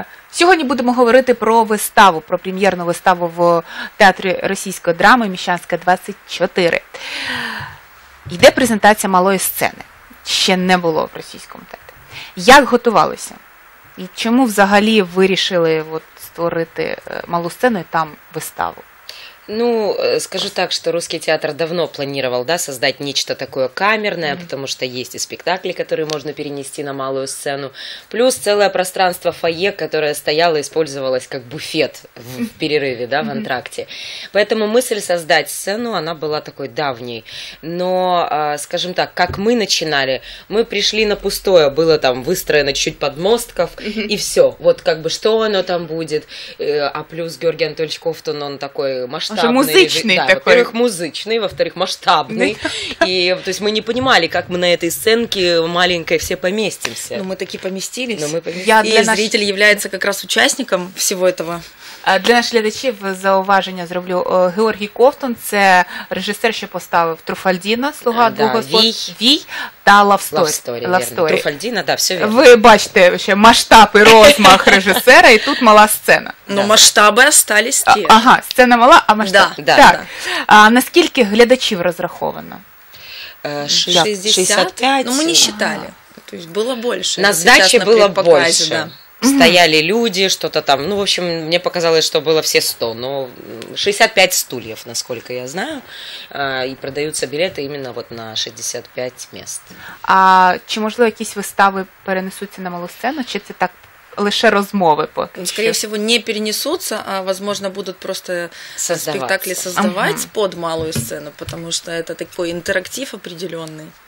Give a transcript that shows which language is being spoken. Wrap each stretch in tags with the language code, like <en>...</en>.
<uk>Сьогодні будемо говорити про виставу, про прем'єрну виставу в театрі російської драми «Міщанська 24». Йде презентація малої сцени. Ще не було в російському театрі. Як готувалися? І чому взагалі вирішили от створити малу сцену і там виставу?</uk> <ru>Ну, скажу так, что русский театр давно планировал, да, создать нечто такое камерное, mm-hmm. потому что есть и спектакли, которые можно перенести на малую сцену, плюс целое пространство фойе, которое стояло, использовалось как буфет в перерыве, да, в антракте. Mm-hmm. Поэтому мысль создать сцену, она была такой давней. Но, скажем так, как мы начинали, мы пришли на пустое, было там выстроено чуть-чуть подмостков, mm-hmm. и все. Вот как бы что оно там будет, а плюс Георгий Анатольевич Ковтун, он такой масштабный. Он же музычный такой. Во-первых, музычный, во-вторых, масштабный. И, то есть мы не понимали, как мы на этой сценке маленькой все поместимся. Но мы таки поместились. Но мы поместились. И зритель является как раз участником всего этого.</ru> <uk>Для наших глядачів зауваження зроблю. Георгій Ковтун – це режисер, що поставив Труфальдіна, «Слуга двох господ», «Вій» та «Лавсторі». «Лавсторі», Труфальдіна, да, все вірно. Ви бачите ще масштаб і розмах режисера, і тут мала сцена. Ну, масштаби остались ті. Ага, сцена мала, а масштаб.</uk> <ru>Да,</ru> <uk>так.</uk> <ru>Да.</ru> <uk>А наскільки глядачів розраховано? 65? Ну, ми не вважали. Тобто було більше. На здачі було більше. Стояли люди,</uk> <ru>что-то там. Ну, в общем, мне показалось, что было все 100, но 65 стульев, насколько я знаю, и продаются билеты именно вот на 65 мест.</ru> <uk>А чи, можливо, якісь вистави перенесуться на малу сцену, чи це так лише розмови поки?</uk> <ru>Скорее всего, не перенесутся, а, возможно, будут просто спектакли создавать под малую сцену, потому что это такой интерактив определенный.</ru>